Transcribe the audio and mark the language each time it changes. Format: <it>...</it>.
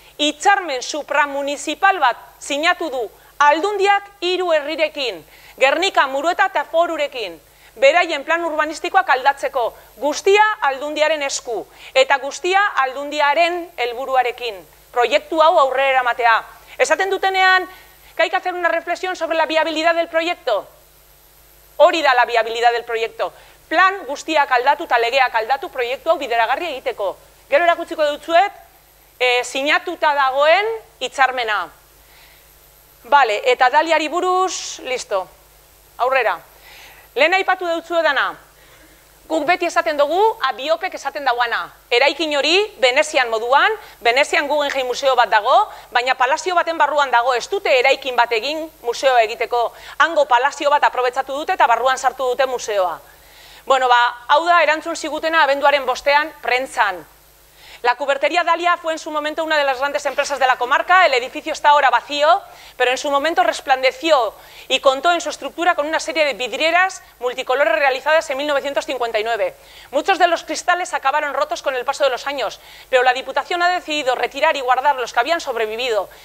<eu>Hitzarmen supramunizipal bat sinatu du aldundiak hiru herrirekin, Gernika, Murueta eta Forurekin. Beraien plan urbanistikoak aldatzeko, guztia aldundiaren esku, eta guztia aldundiaren helburuarekin, proiektu hau aurrera eramatea. Esaten dutenean,</eu> <es>que hay que hacer una reflexión sobre la viabilidad del proyecto.</es> <eu>Hori da</eu> <es>la viabilidad del proyecto.</es> <eu>Plan guztiak aldatu eta legeak aldatu proiektu hau bideragarri egiteko. Gero erakutsiko dutzuet, sinatuta dagoen hitzarmena. Bale, eta Daliari buruz, listo, aurrera. Lehen aipatu dutzu edana, guk beti esaten dugu, Abiopek esaten dagoana. Eraikin hori, Venezian moduan, Venezian Guggenheim museo bat dago, baina palazio baten barruan dago, ez dute eraikin bat egin museo egiteko. Hango palazio bat aprobetsatu dute eta barruan sartu dute museoa. Bueno, ba, hau da erantzun zigutena abenduaren bostean prentzan.</eu> <es>La cuberteria Dalia fue en su momento una de las grandes empresas de la comarca, el edificio está ahora vacío, pero en su momento resplandeció y contó en su estructura con una serie de vidrieras multicolores realizadas en 1959. Muchos de los cristales acabaron rotos con el paso de los años, pero la Diputación ha decidido retirar y guardar los que habían sobrevivido.</es>